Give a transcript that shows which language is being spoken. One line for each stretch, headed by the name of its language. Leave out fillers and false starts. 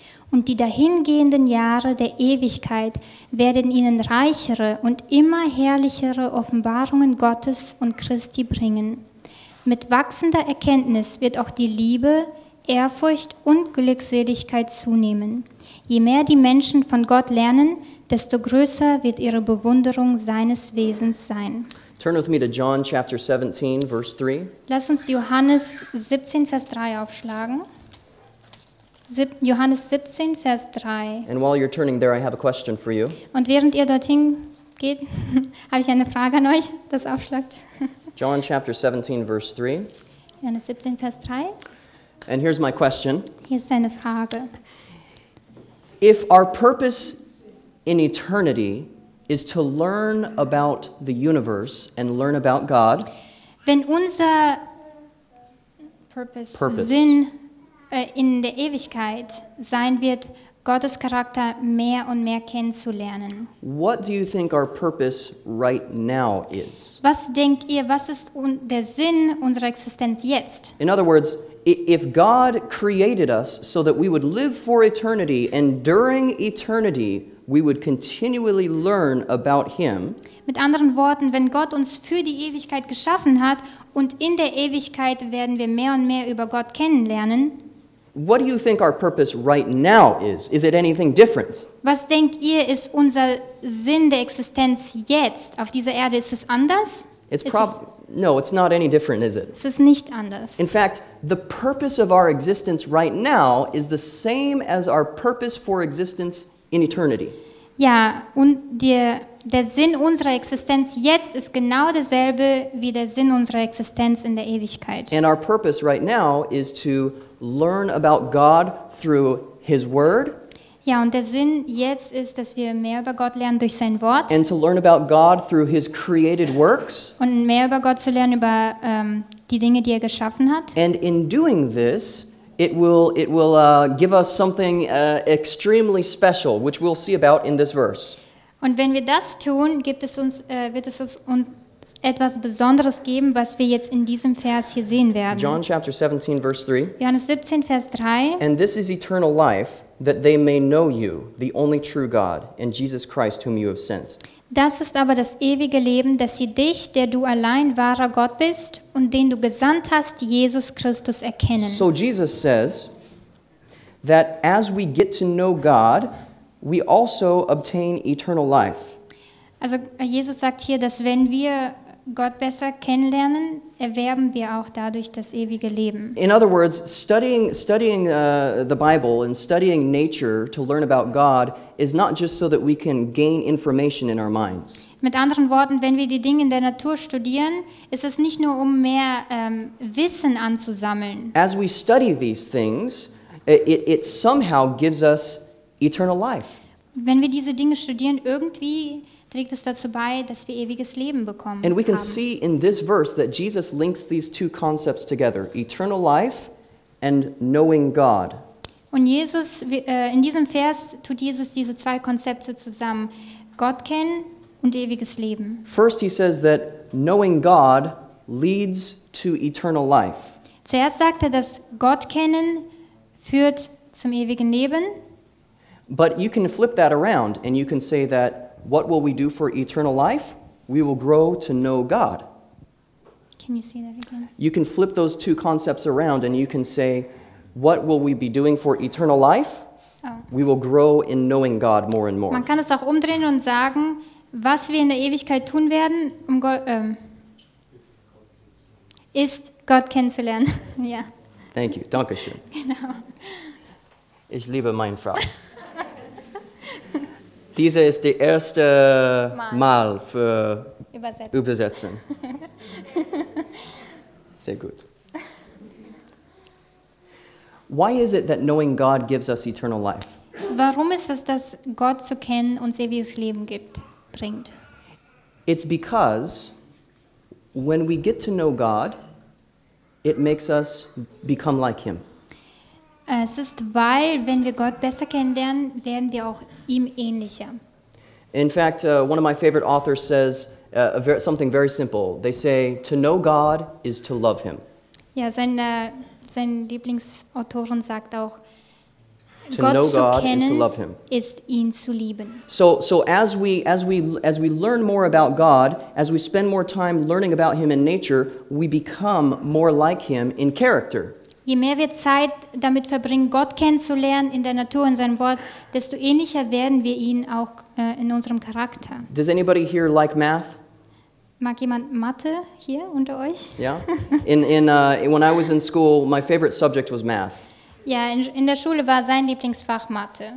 German: Und die dahingehenden Jahre der Ewigkeit werden ihnen reichere und immer herrlichere Offenbarungen Gottes und Christi bringen. Mit wachsender Erkenntnis wird auch die Liebe, Ehrfurcht und Glückseligkeit zunehmen. Je mehr die Menschen von Gott lernen, desto größer wird ihre Bewunderung seines Wesens sein.
English: Turn with me to John chapter 17, verse 3.
German: Lass uns Johannes 17, Vers 3 aufschlagen. Johannes 17, Vers 3.
English: And while you're turning there, I have a question for you.
German: Und während ihr dorthin geht, habe ich eine Frage an euch, das aufschlagt.
English: John chapter 17, verse 3.
German: Johannes 17, Vers 3.
English: And here's my question.
German: Hier ist eine Frage.
English: If our purpose in eternity is to learn about the universe and learn about God.
German: Wenn unser purpose. Sinn in der Ewigkeit sein wird, Gottes Charakter mehr und mehr kennenzulernen.
English: What do you think our purpose right now is?
German: Was denkt ihr, was ist der Sinn unserer Existenz jetzt?
English: In other words, if God created us so that we would live for eternity and during eternity we would continually learn about him.
German: Mit anderen Worten, wenn Gott uns für die Ewigkeit geschaffen hat und in der Ewigkeit werden wir mehr und mehr über Gott kennenlernen.
English: What do you think our purpose right now is? Is it anything different?
German: Was denkt ihr, ist unser Sinn der Existenz jetzt auf dieser Erde, ist es anders?
English: No, it's not any different, is it?
German: Es ist nicht anders.
English: In fact, the purpose of our existence right now is the same as our purpose for existence in eternity.
German: Ja, und der Sinn unserer Existenz jetzt ist genau dasselbe wie der Sinn unserer Existenz in der Ewigkeit.
English: And our purpose right now is to learn about God through his word.
German: Ja, und der Sinn jetzt ist, dass wir mehr über Gott lernen durch sein Wort.
English: And to learn about God through his created works.
German: Und mehr über Gott zu lernen über die Dinge, die er geschaffen hat.
English: And in doing this, It will give us something extremely special, which we'll see about in this verse.
German: Und wenn wir das tun, gibt es uns wird es uns etwas Besonderes geben, was wir jetzt in diesem Vers hier sehen werden.
English: John chapter 17 verse 3.
German: Johannes 17 Vers 3.
English: And this is eternal life, that they may know you, the only true God, and Jesus Christ, whom you have sent.
German: Das ist aber das ewige Leben, dass sie dich, der du allein wahrer Gott bist und den du gesandt hast, Jesus Christus, erkennen.
English: So Jesus says that as we get to know God, we also obtain eternal life.
German: Also Jesus sagt hier, dass wenn wir Gott besser kennenlernen, erwerben wir auch dadurch das ewige Leben.
English: In other words, studying the Bible and studying nature to learn about God is not just so that we can gain information in our minds.
German: Mit anderen Worten, wenn wir die Dinge in der Natur studieren, ist es nicht nur um mehr Wissen anzusammeln.
English: As we study these things, it somehow gives us eternal life.
German: Wenn wir diese Dinge studieren, irgendwie trägt es dazu bei, dass wir ewiges Leben bekommen.
English: And we can see in this verse that Jesus links these two concepts together, eternal life and knowing God.
German: Und Jesus, in diesem Vers tut Jesus diese zwei Konzepte zusammen, Gott kennen und ewiges Leben.
English: First he says that knowing God leads to eternal life.
German: Zuerst sagt er, dass Gott kennen führt zum ewigen Leben.
English: But you can flip that around and you can say that what will we do for eternal life? We will grow to know God. Can you say that again? You can flip those two concepts around and you can say, what will we be doing for eternal life? Oh. We will grow in knowing God more and more.
German: Man kann es auch umdrehen und sagen, was wir in der Ewigkeit tun werden, um ist Gott kennenzulernen.
English: Yeah. Thank you.
German: Dankeschön. Genau. Ich liebe meine Frau. Diese ist die erste Mal für Übersetzen. Sehr gut.
English: Why is it that knowing God gives us eternal life?
German: Warum ist es, dass Gott zu kennen uns ewiges Leben gibt, bringt?
English: It's because when we get to know God, it makes us become like him.
German: Es ist, weil wenn wir Gott besser kennenlernen, werden wir auch ihm ähnlicher.
English: In fact, one of my favorite authors says something very simple. They say, to know God is to love him.
German: Ja, sein Lieblingsautorin sagt auch,
English: to Gott know God
German: zu kennen,
English: is to love him.
German: Ist ihn zu lieben.
English: So as we learn more about God, as we spend more time learning about him in nature, we become more like him in character.
German: Je mehr wir Zeit damit verbringen, Gott kennenzulernen in der Natur, in seinem Wort, desto ähnlicher werden wir ihn auch in unserem Charakter.
English: Does anybody here like math?
German: Mag jemand Mathe hier unter euch? Ja.
English: When I was in school, my favorite subject was math.
German: Ja, in der Schule war sein Lieblingsfach Mathe.